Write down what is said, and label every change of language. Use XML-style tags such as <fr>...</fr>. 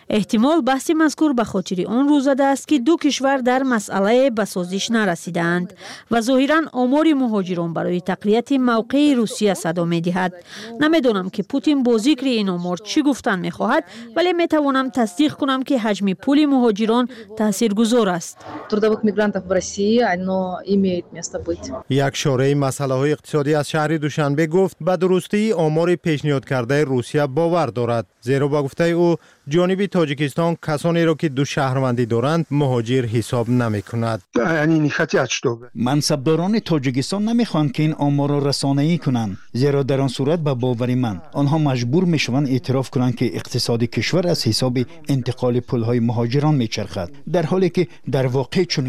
<fa>احتمال بحث مذکور به خاطر آن روزاده است که دو کشور در مسئله بسازش نرسیدند و ظاهرا آمار مهاجران برای تقویت موقع روسیه صدا می دهد. نمی دانم که پوتین با ذکر این آمار چی گفتن می خواهد، ولی می توانم تصدیق کنم که حجم پول مهاجران تاثیرگذار است.</fa> <ru>мигрантов в России, оно имеет место быть.</ru> <tg>Як шораи масъалаҳои иқтисодӣ аз шаҳри Душанбе гуфт, ба дурустии омори пешниҳодкардаи Русия бовар дорад. Зеро ба гуфтаи ӯ, ҷониби Тоҷикистон касонеро ки ду шаҳрванди доранд, муҳоҷир ҳисоб намекунад. Яъни нихатият што. Мансабдорони Тоҷикистон намехоҳанд ки ин оморро расонаӣ кунанд, зеро дар он сурат ба бовари ман, онҳо маҷбур мешаванд эътироф кунанд ки иқтисоди кишвар аз ҳисоби интиқоли пулҳои муҳоҷирон мечархад, дар ҳоле ки дар воқеъ</tg>